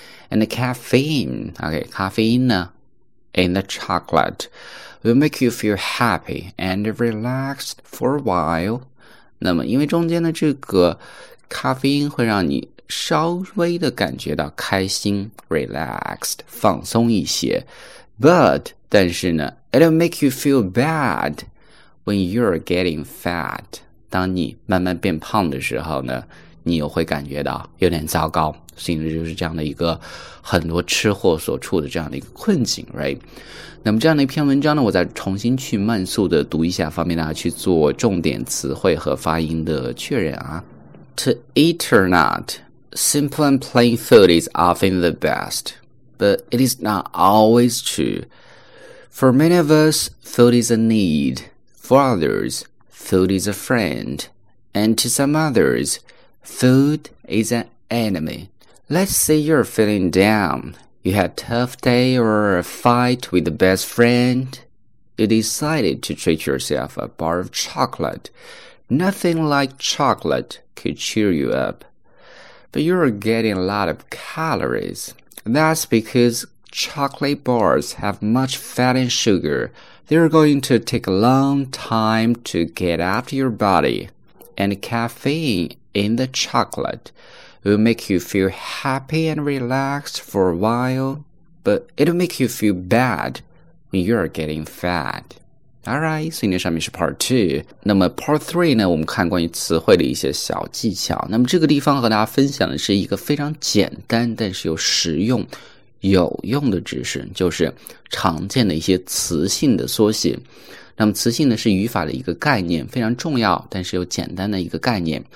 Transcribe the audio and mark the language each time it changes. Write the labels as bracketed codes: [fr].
[en] And caffeine, okay, [zh] 咖啡因呢 [en] in the chocolate will make you feel happy and relaxed for a while. [zh] 那么因为中间的这个咖啡因会让你稍微的感觉到开心 relaxed, 放松一些。 [en] But, [zh] 但是呢 [en] it'll make you feel bad when you're getting fat. [zh] 当你慢慢变胖的时候呢你又会感觉到有点糟糕。所以就是这样的一个很多吃货所处的这样的一个困境 ,right? 那么这样的一篇文章呢我再重新去慢速的读一下方便大家去做重点词汇和发音的确认啊。 [en] To eat or not, simple and plain food is often the best, but it is not always true. For many of us, food is a need. For others, food is a friend. And to some others, food is an enemy. Let's say you're feeling down. You had a tough day or a fight with a best friend. You decided to treat yourself a bar of chocolate. Nothing like chocolate could cheer you up. But you're getting a lot of calories. That's because chocolate bars have much fat and sugar. They're going to take a long time to get out of your body. And caffeine in the chocolate will make you feel happy and relaxed for a while. But it'll make you feel bad when you're getting fat. [zh] Alright, 所以那上面是 part 2。那么 part 3呢，我们看关于词汇的一些小技巧。那么这个地方和大家分享的是一个非常简单，但是又实用、有用的知识，就是常见的一些词性的缩写。那么词性呢，是语法的一个概念，非常重要，但是又简单的一个概念。